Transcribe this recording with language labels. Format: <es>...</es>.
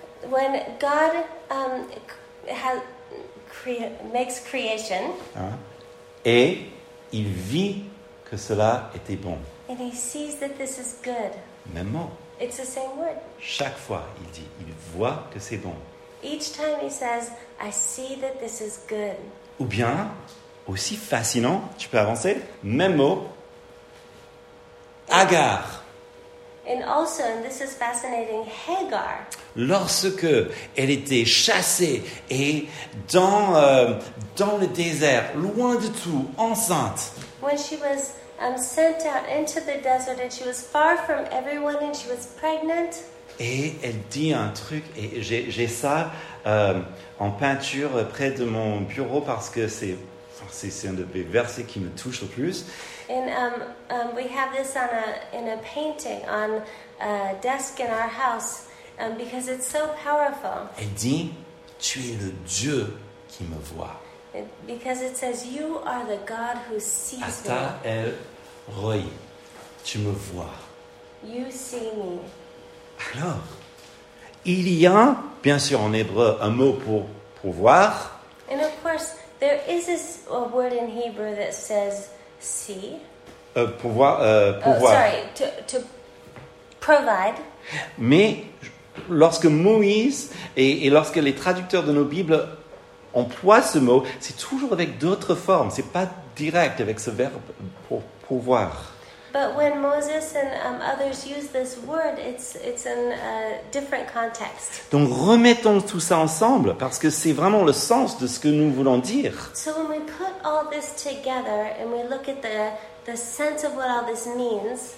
<en>When God makes creation.</en> <fr>Hein, et il vit que cela était bon.</fr> <en>And he sees that this is good.</en> <fr>Même mot.</fr> <en>It's the same word.</en> <fr>Chaque fois, il dit, il voit que c'est bon.</fr> <en>Each time he says, I see that this is good.</en> <fr>Ou bien, aussi fascinant, tu peux avancer, même mot, Agar.</fr> <en>And also, and this is fascinating, Hagar.</en> <fr>Lorsque elle était chassée et dans le désert, loin de tout, enceinte.</fr> <en>When she was sent out into the desert and she was far from everyone and she was pregnant.</en> <fr>Et elle dit un truc et j'ai ça en peinture près de mon bureau parce que c'est un de mes versets qui me touche le plus.</fr> <en>And we have this in a painting on a desk in our house because it's so powerful.</en> <fr>Elle dit, tu es le Dieu qui me voit.</fr> <en>Because it says, you are the God who sees me.</en> <he>Ata el roi,</he> <fr>tu me vois.</fr> <en>You see me.</en> <fr>Alors, il y a, bien sûr en hébreu, un mot pour voir.</fr> <en>And of course, there is a word in Hebrew that says, see.</en> <fr>Pour voir.</fr> <en>Sorry, to provide.</en> <fr>Mais lorsque Moïse et lorsque les traducteurs de nos Bibles emploie ce mot, c'est toujours avec d'autres formes, c'est pas direct avec ce verbe pour pouvoir.</fr> <en>But when Moses and others use this word, it's in a different context.</en> <fr>Donc remettons tout ça ensemble parce que c'est vraiment le sens de ce que nous voulons dire.</fr> <en>So when we put all this together and we look at the sense of what all this means.</en>